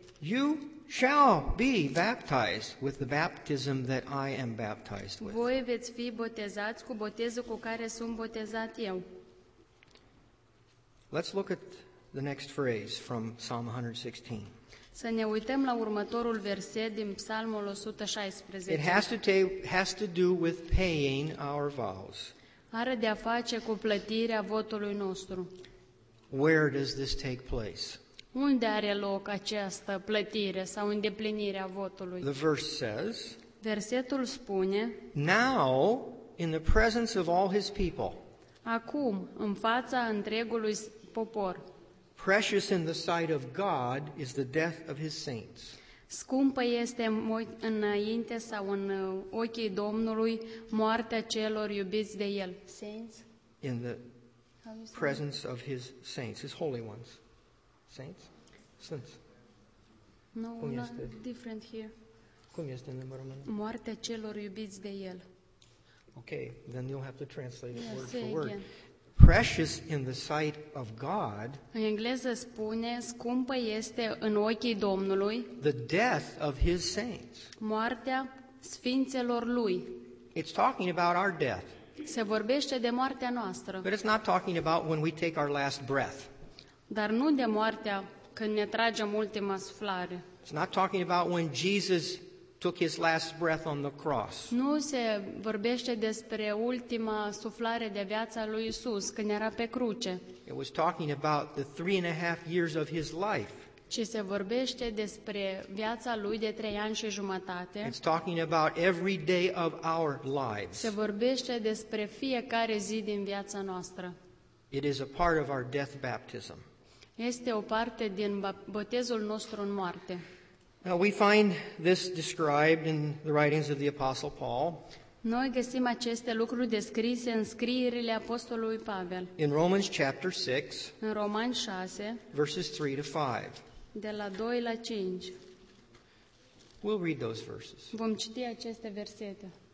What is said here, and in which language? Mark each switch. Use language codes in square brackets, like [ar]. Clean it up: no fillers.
[en] You shall be baptized with the baptism that I am baptized with. [ro] Voi veți fi botezați cu botezul cu care sunt botezat eu. [en] Let's look at the next phrase from Psalm 116. [ro] Să ne uităm la următorul verset din Psalmul 116. [en] It has to do with paying our vows. [ro] Are de a face cu plătirea votului nostru. [en] Where does this take place? [ro] Unde are loc această plătire sau îndeplinire a votului? [en] The verse says, [ro] versetul spune, [en] now, in the presence of all his people, [ro] acum, în fața întregului popor, [en] Precious in the sight of God is the death of his saints. [ro] Scumpă este înainte sau în ochii Domnului moartea celor iubiți de el. [en] Saints. In the presence of his saints, his holy ones. Saints? Saints. [ro] No, cum este? [en] Different here. [ro] Cum este în limba română? Moartea celor iubiți de el. [en] Okay, then you'll have to translate it word for again. Word. Precious in the sight of God. [ro] În engleză spune, scumpă este în ochii Domnului. [en] The death of his saints. [ro] Moartea sfinților lui. [en] It's talking about our death. [ro] Se vorbește de moartea noastră. [en] But it's not talking about when we take our last breath. [ro] Dar nu de moartea când ne tragem ultima suflare. [en] It's not talking about when Jesus took his last breath on the cross. [ro] Nu se vorbește despre ultima suflare de viața lui Isus când era pe cruce. [en] It was talking about the 3.5 years of his life. [ro] Ci se vorbește despre viața lui de 3 ani și jumătate. [en] It's talking about every day of our lives. [ro] Se vorbește despre fiecare zi din viața noastră. [en] It is a part of our death baptism. [ro] Este o parte din botezul nostru în moarte. [en] Now we find this described in the writings of the Apostle Paul. [ro] Noi găsim aceste lucruri descrise în scrierile apostolului Pavel. [en] In Romans chapter 6. [ro] În Romani 6. [en] Verses 3 to 5. [ro] De la 2 la 5. [en] We'll read those verses. [ro] Vom citi aceste versete.